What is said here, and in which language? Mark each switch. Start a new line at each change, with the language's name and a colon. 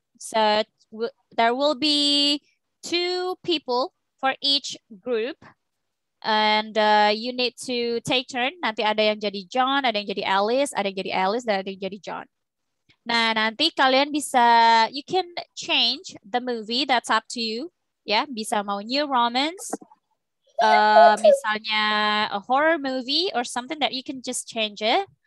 English: So, there will be two people for each group. And you need to take turn.
Indonesian: Nanti ada yang jadi John, ada yang jadi Alice, ada yang jadi Alice, dan ada yang jadi John. Nah, nanti kalian bisa,
English: you can change the movie, that's up to you. Ya, yeah,
Indonesian: bisa mau
English: new romance,
Indonesian: misalnya
English: a horror movie or something that you can just change it.